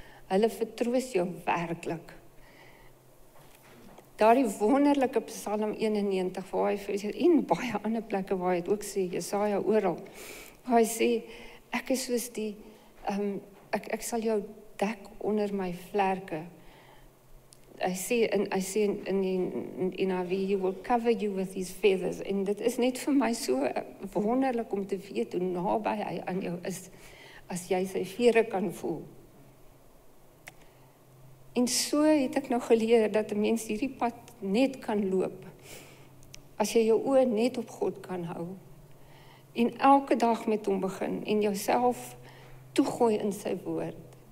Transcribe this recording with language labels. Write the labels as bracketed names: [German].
[Afrikaans] Hulle vertroos jou werklik. Daardie wonderlike Psalm 91, waar hy vir jou, en baie ander plekke waar hy het ook sê, Jesaja oral, waar hy sê, ek is soos die, ek sal jou dek onder my vlerke. [English] I see in NIV, he will cover you with his feathers. [Afrikaans] En dit is net vir my so wonderlik om te weet hoe naby hy aan jou is, as jy sy vere kan voel. En so het ek nou geleer dat 'n mens hierdie pad net kan loop, as jy jou oë net op God kan hou, en elke dag met hom begin, en jouself toegooi in sy woord.